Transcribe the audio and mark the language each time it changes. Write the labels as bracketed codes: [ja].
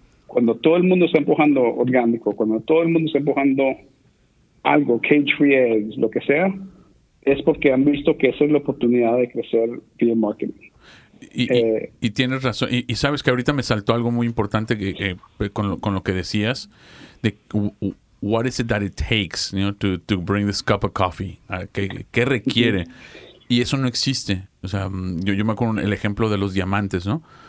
[es] Cuando todo el mundo está empujando orgánico, cuando todo el mundo está empujando algo, [en] cage-free eggs, [es] lo que sea, es porque han visto que esa es la oportunidad de crecer via marketing. Y tienes razón. Y sabes que ahorita me saltó algo muy importante con lo que decías. [en] De what is it that it takes, you know, to bring this cup of coffee? [es] ¿Qué requiere? Y eso no existe. O sea, yo me acuerdo el ejemplo de los diamantes, ¿no?